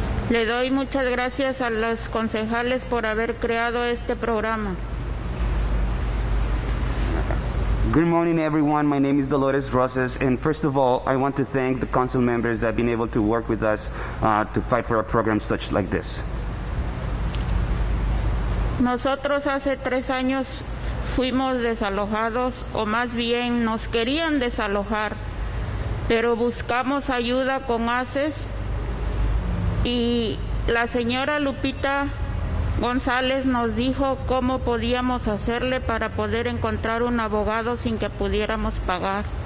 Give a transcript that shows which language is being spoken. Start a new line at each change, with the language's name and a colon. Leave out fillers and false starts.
Spanish: Le doy muchas gracias a los concejales por haber creado este programa.
English: Good morning, everyone. My name is Dolores Rosas, and first of all, I want to thank the council members that have been able to work with us to fight for a program such like this.
Spanish: Nosotros hace tres años fuimos desalojados, o más bien nos querían desalojar, pero buscamos ayuda con ACES, y la señora Lupita González nos dijo cómo podíamos hacerle para poder encontrar un abogado sin que pudiéramos pagar.